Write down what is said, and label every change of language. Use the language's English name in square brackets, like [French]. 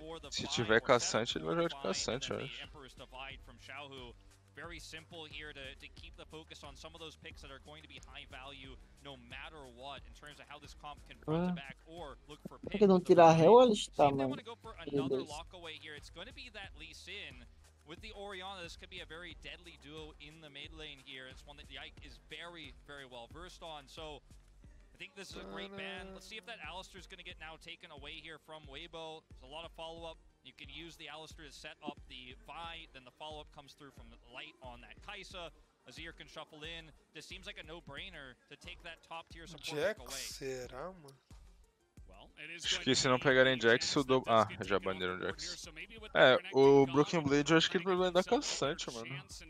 [Portuguese] Se tiver caçante, ele vai jogar de caçante, eu acho. [English] Very simple here to keep the focus on some of those picks that are going to be high value no matter what in terms of how this comp can front to back or look for picks. [Portuguese] Por que não tirar a Hel ou a Lista, mano? [English] It's going to be that Lee Sin with the Orianna. This could be a very deadly duo in the mid lane here. It's one that the Ike is very, very well versed on. So I think this is a great ban. Let's see if that Alistar is going to get now taken away here from Weibo. There's a lot of follow up. You can use the Alistar to set up the Vi, then the follow-up comes through from the light on that Kai'Sa. Azir can shuffle in. This seems like a no-brainer to take that top tier support Jax away. [Portuguese] Será, mano? Acho que se não pegarem Jax, o do... Ah, já baniram Jax. É, o Broken Blade, eu acho que ele vai blindar caçante, mano.